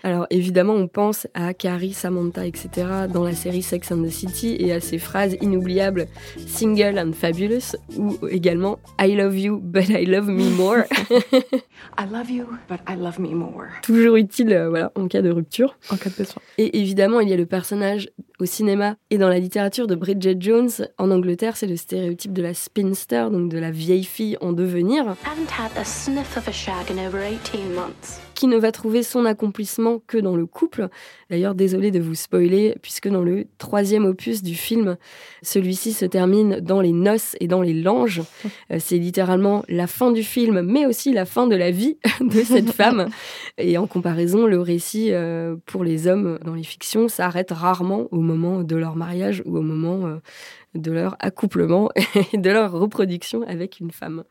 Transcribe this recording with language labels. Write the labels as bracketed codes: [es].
[fr] Alors évidemment, on pense à Carrie, Samantha, etc. dans la série Sex and the City et à ses phrases inoubliables « [en] Single and fabulous [fr] » ou également « [en] I love you, but I love me more ».« I love you, but I love me more ». [fr] Toujours utile voilà, en cas de rupture. En cas de besoin. Et évidemment, il y a le personnage au cinéma et dans la littérature de Bridget Jones. En Angleterre, c'est le stéréotype de la spinster, donc de la vieille fille en devenir. [en] « I haven't had a sniff of a shag in over 18 months ». [fr] Qui ne va trouver son accomplissement que dans le couple. D'ailleurs, désolée de vous spoiler, puisque dans le troisième opus du film, celui-ci se termine dans les noces et dans les langes. C'est littéralement la fin du film, mais aussi la fin de la vie de cette femme. Et en comparaison, le récit pour les hommes dans les fictions s'arrête rarement au moment de leur mariage ou au moment de leur accouplement et de leur reproduction avec une femme.